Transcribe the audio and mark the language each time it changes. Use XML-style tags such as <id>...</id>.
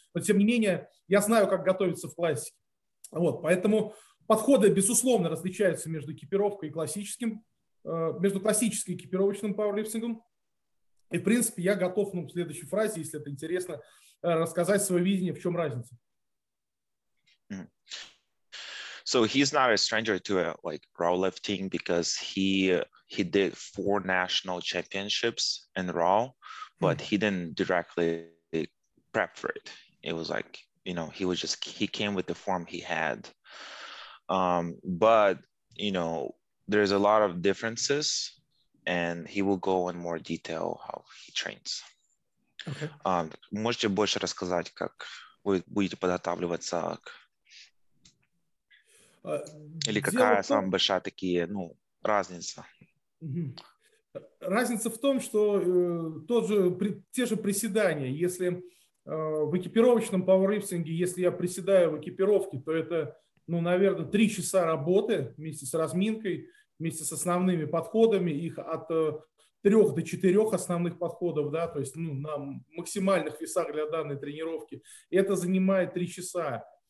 <ru>Но тем не менее, я знаю, как готовиться в классике. Вот, поэтому подходы, безусловно, различаются между экипировкой и классическим, между классической экипировочным пауэрлифтингом. И, в принципе, я готов, ну, в следующей фразе, если это интересно, рассказать свое видение, в чем разница.</ru> <en>So he's not a stranger to like raw lifting because he did 4 national championships in raw, but he didn't directly prep for it. It was like, you know, he came with the form he had. But, you know, there's a lot of differences and he will go in more detail how he trains. Okay.</en> <ru>Можете больше рассказать, как вы будете подготавливаться к... Или какая самая большая такие, ну, разница? Разница в том, что те же приседания, если в экипировочном пауэрлифтинге, если я приседаю в экипировке, то это, ну, наверное, 3 часа работы вместе с разминкой, вместе с основными подходами, их от 3 до 4 основных подходов, да, то есть, ну, на максимальных весах для данной тренировки, это занимает 3 часа.</ru>